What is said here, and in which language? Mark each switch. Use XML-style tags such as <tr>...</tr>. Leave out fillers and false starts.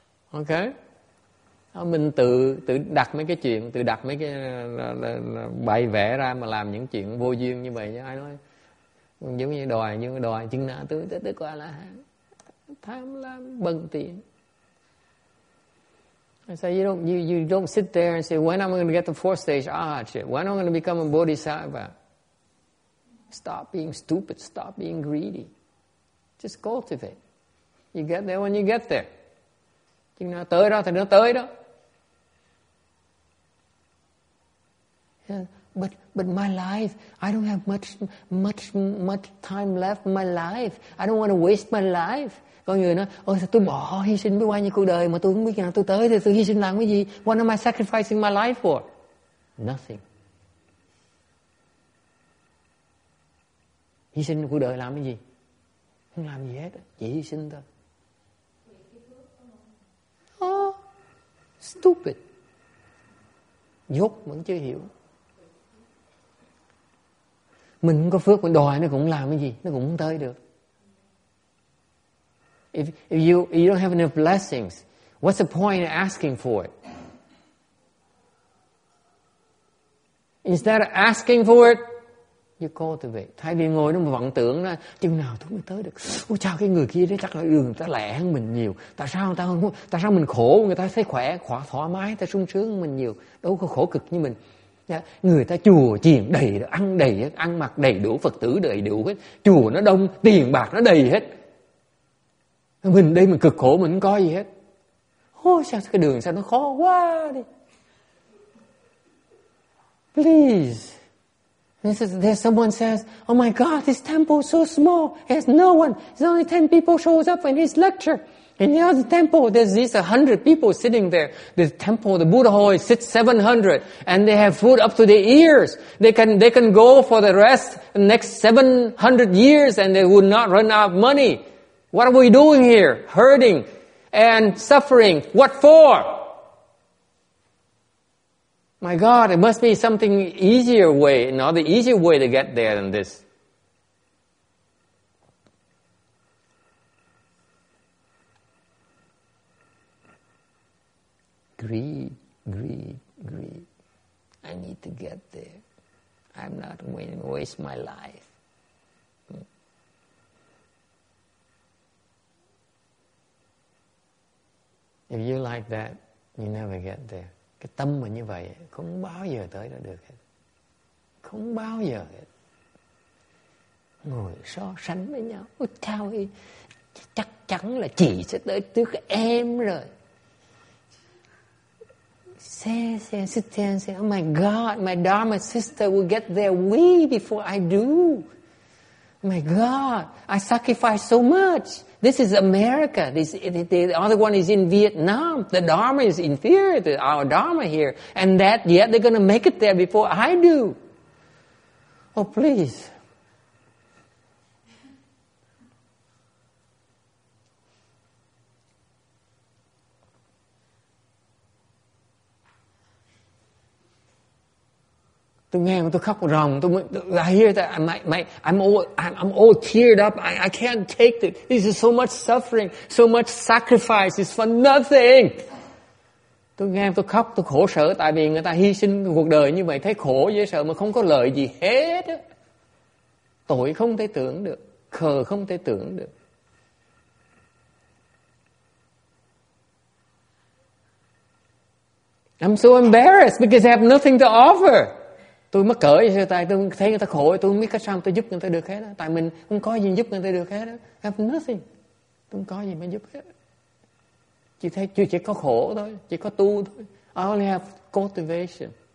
<vi>OK, mình tự đặt mấy cái chuyện, tự đặt mấy cái bày vẽ ra mà làm những chuyện vô duyên như vậy. Ai nói giống như đòi, nhưng đòi chừng nào tới qua là tham lam bần tiện.</vi> <en>I say you don't sit there and say when am I going to get the fourth stage? Ah, shit. When am I going to become a bodhisattva? Stop being stupid. Stop being greedy. Just cultivate. You get there when you get there.</en> <vi>Chừng nào tới đó thì nó tới đó.</vi> <en>But my life, I don't have much time left in my life. I don't want to waste my life.</en> <vi>Con người nói, ôi sao tôi bỏ hy sinh với bao nhiêu cuộc đời mà tôi không biết nào tôi tới thì tôi hy sinh làm cái gì?</vi> <en>What am I sacrificing my life for? Nothing.</en> <vi>Hy sinh cuộc đời làm cái gì? Không làm gì hết, chỉ hy sinh thôi.</vi> <en>Stupid.</en> <vi>Dốt vẫn chưa hiểu. Mình không có phước mình đòi nó cũng làm cái gì, nó cũng không tới được.</vi> <en>If you don't have enough blessings, what's the point in asking for it? Instead of asking for it, you cultivate.</en> <vi>Thay vì ngồi nó mà vọng tưởng là chừng nào tôi mới tới được. Ôi chào cái người kia đấy chắc là đường ta lẻ hơn mình nhiều. Tại sao người ta không? Tại sao mình khổ người ta thấy khỏe thoải mái, ta sung sướng hơn mình nhiều. Đâu có khổ cực như mình. Người ta chùa chiền đầy ăn mặc đầy đủ, Phật tử đầy đủ hết. Chùa nó đông, tiền bạc nó đầy hết. Mình đây mình cực khổ mình không có gì hết. Ôi sao cái đường sao nó khó quá đi.</vi> <en>Please. This is, there's someone says, oh my God, this temple is so small. There's no one. There's only 10 people shows up in his lecture. In the other temple, there's these 100 people sitting there. The temple, the Buddha Hall, sits 700. And they have food up to their ears. They can go for the rest the next 700 years and they would not run out of money. What are we doing here? Hurting and suffering. What for? My God, it must be something easier way, another easier way to get there than this. Greed, greed, greed. I need to get there. I'm not going to waste my life. If you like that, you never get there.</en> <vi>Cái tâm mà như vậy không bao giờ tới đó được hết. Không bao giờ hết. Ngồi so sánh với nhau. Ôi thao ơi, chắc chắn là chị sẽ tới trước em rồi.</vi> <en>Say, oh my God, my Dharma sister will get there way before I do. My God, I sacrifice so much. This is America. The other one is in Vietnam. The Dharma is inferior to our Dharma here. And that, yet they're going to make it there before I do. Oh, please.</en> <vi>Tôi nghe mà tôi khóc ròng,</vi> <en>I hear that I'm all teared up. I can't take it. This is so much suffering, so much sacrifice. It's for nothing.</en> <vi>Tôi nghe tôi khóc, tôi khổ sở tại vì người ta hy sinh cuộc đời như vậy, thấy khổ dễ sợ mà không có lợi gì hết. Tội không thể tưởng được, khờ không thể tưởng được.</vi> <en>I'm so embarrassed because I have nothing to offer.</en> <vi>Tôi mắc cỡ vậy, tại tôi thấy người ta khổ, tôi không biết cách sao tôi giúp người ta được hết đó. Tại mình không có gì giúp người ta được hết đó.</vi> <en>I have nothing.</en> <vi>Tôi không có gì mà giúp hết. Chỉ thấy chỉ có khổ thôi, chỉ có tu thôi.</vi> <en>I only have cultivation.</en>